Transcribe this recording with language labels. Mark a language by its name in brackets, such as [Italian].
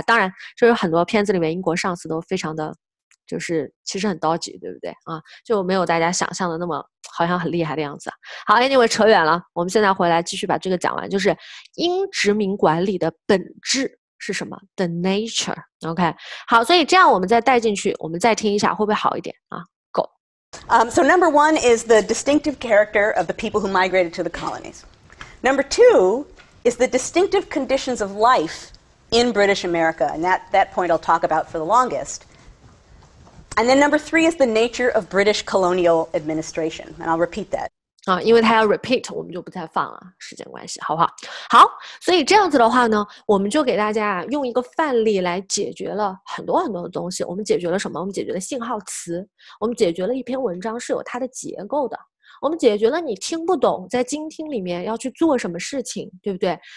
[Chinese] 当然就是很多片子里面英国上司都非常的就是其实很 dodgy， 对不对啊？就没有大家想象的那么好像很厉害的样子。好 ，Anyway， 扯远了，我们现在回来继续把这个讲完，就是英殖民管理的本质是什么 ？ [English] The nature。 [Chinese] OK， 好，所以这样我们再带进去，我们再听一下，会不会好一点啊？ [English] So number one is the distinctive character of the people who migrated to the colonies. Number two is the distinctive conditions of life in British America, and that point I'll talk about for the longest. And then number three is the nature of British colonial administration, and I'll repeat that. [Chinese] 啊，因为他要 repeat， 我们就不太放了，时间关系，好不好？好，所以这样子的话呢，我们就给大家用一个范例来解决了很多很多的东西。我们解决了什么？我们解决了信号词，我们解决了一篇文章是有它的结构的，我们解决了你听不懂在精听里面要去做什么事情，对不对？